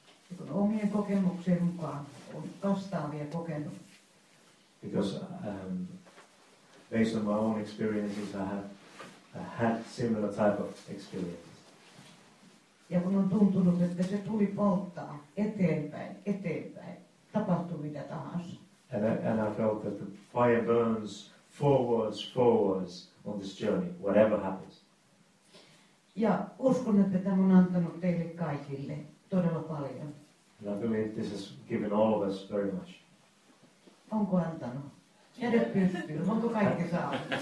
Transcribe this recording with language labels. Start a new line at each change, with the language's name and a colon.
Finnish: Ja kun omien kokemuksien mukaan on vastaavia kokenut.
English: Because based on my own experiences, I had similar type of experience.
Finnish: Ja kun on tuntunut, että se tuli polttaa eteenpäin, tapahtui mitä tahansa.
English: And I felt that the fire burns forwards on this journey, whatever happens.
Finnish: Ja uskon, että tämä on antanut teille kaikille todella paljon.
English: And I believe this has given all of us very much.
Finnish: Onko antanut? Jädet pystyyn, onko kaikki saanut?